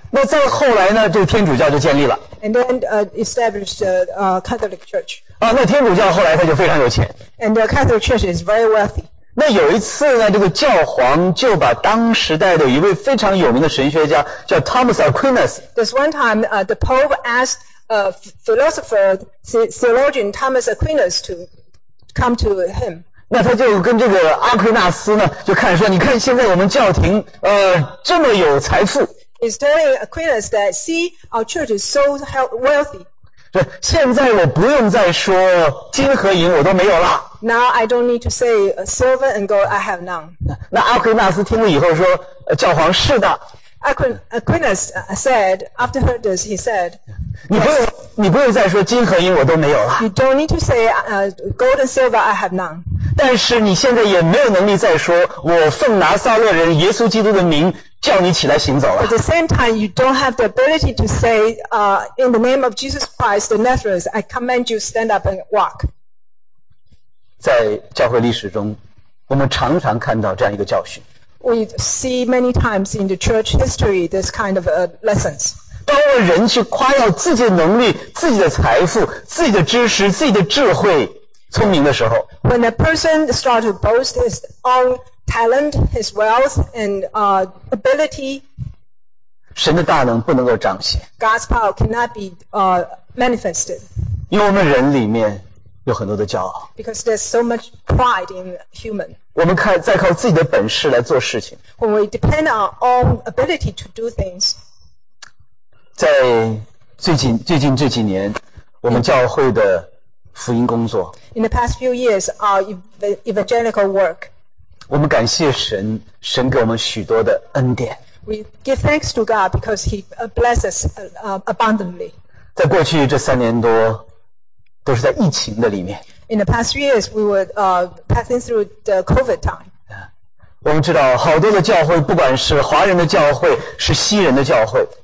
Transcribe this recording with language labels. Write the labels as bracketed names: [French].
[Chinese] 那再后来呢，就天主教就建立了。 [English] And then established the Catholic Church. [Chinese] 啊，那天主教后来他就非常有钱。 [English] And the Catholic Church is very wealthy. [Chinese] 那有一次呢，这个教皇就把当时代的一位非常有名的神学家叫 Thomas Aquinas. [English] There's one time, the Pope asked a philosopher, theologian Thomas Aquinas to come to him. [Chinese] 那他就跟这个阿奎那斯呢，就看说，你看现在我们教廷，这么有财富。 [English] He's telling Aquinas that, see, our church is so wealthy. [Chinese] 对，现在我不用再说金和银我都没有了。 [English] Now I don't need to say silver and gold I have none. [Chinese] 那阿奎那斯听了以后说，教皇是的。 [English] Aquinas said after heard this, he said, [Chinese] 你不用再说金和银我都没有了。 [English] You don't need to say gold and silver I have none. [Chinese] 但是你现在也没有能力再说我奉拿撒勒人耶稣基督的名。叫你起来行走了。 [English] At the same time, you don't have the ability to say, in the name of Jesus Christ, the Nazareth, I command you stand up and walk. [Chinese] 在教会历史中，我们常常看到这样一个教训。 [English] We see many times in the church history this kind of lessons. [Chinese] 当我人去夸耀自己的能力、自己的财富、自己的知识、自己的智慧、聪明的时候 [English] ，When a person starts to boast his own talent, his wealth, and ability. [Chinese] 神的大能不能够彰显。 [English] God's power cannot be manifested. [Chinese] 因为我们人里面有很多的骄傲。 [English] Because there's so much pride in human. [Chinese] 我们在靠自己的本事来做事情。 [English] When we depend on our own ability to do things. [Chinese] 在最近这几年，我们教会的福音工作。 [English] In the past few years, our evangelical work. [Chinese] 我们感谢神，神给我们许多的恩典。 [English] We give thanks to God because He blesses us abundantly. [Chinese] 在过去这三年多，都是在疫情的里面。 [English] In the past years, we were passing through the COVID time. [Chinese] 我们知道好多的教会，不管是华人的教会，是西人的教会。